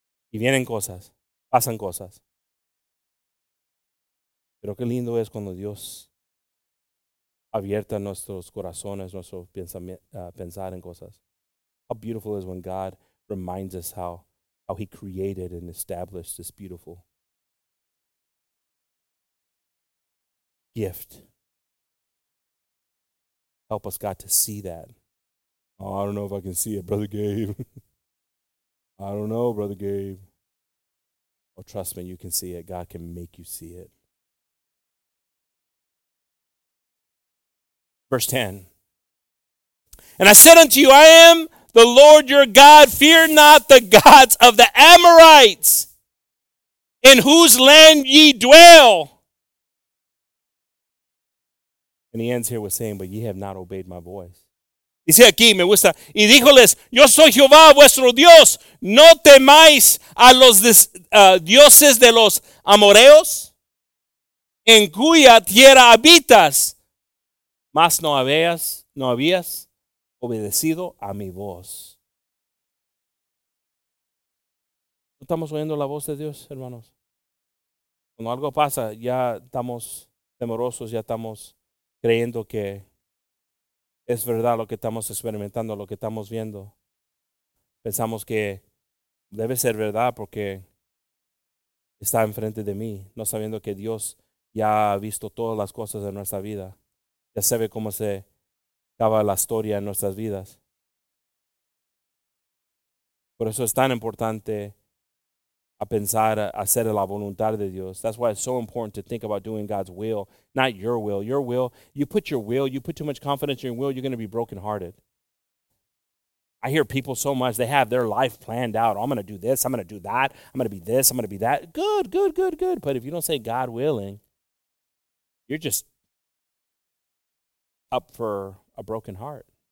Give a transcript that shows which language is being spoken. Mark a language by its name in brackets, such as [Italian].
[Spanish] Y vienen cosas, pasan cosas. Pero qué lindo es cuando Dios abierta nuestros corazones, nuestro pensar en cosas. [English] How beautiful is when God reminds us how he created and established this beautiful gift. Help us, God, to see that. Oh, I don't know if I can see it, Brother Gabe. I don't know, Brother Gabe. Oh, trust me, you can see it. God can make you see it. Verse 10. And I said unto you, I am the Lord your God, fear not the gods of the Amorites, in whose land ye dwell. And he ends here with saying, but ye have not obeyed my voice. [Spanish] Dice aquí, me gusta. Y díjoles, yo soy Jehová vuestro Dios. No temáis a los dioses de los amoreos, en cuya tierra habitas. Mas no habías obedecido a mi voz. ¿No estamos oyendo la voz de Dios, hermanos? Cuando algo pasa, ya estamos temerosos, ya estamos creyendo que es verdad lo que estamos experimentando, lo que estamos viendo. Pensamos que debe ser verdad porque está enfrente de mí, no sabiendo que Dios ya ha visto todas las cosas de nuestra vida. Ya sabe cómo se acaba la historia en nuestras vidas. Por eso es tan importante a pensar, a hacer la voluntad de Dios. [English] That's why it's so important to think about doing God's will, not your will. Your will, you put your will, you put too much confidence in your will, you're going to be brokenhearted. I hear people so much, they have their life planned out. Oh, I'm going to do this, I'm going to do that, I'm going to be this, I'm going to be that. Good, good, good, good. But if you don't say God willing, you're just up for a broken heart.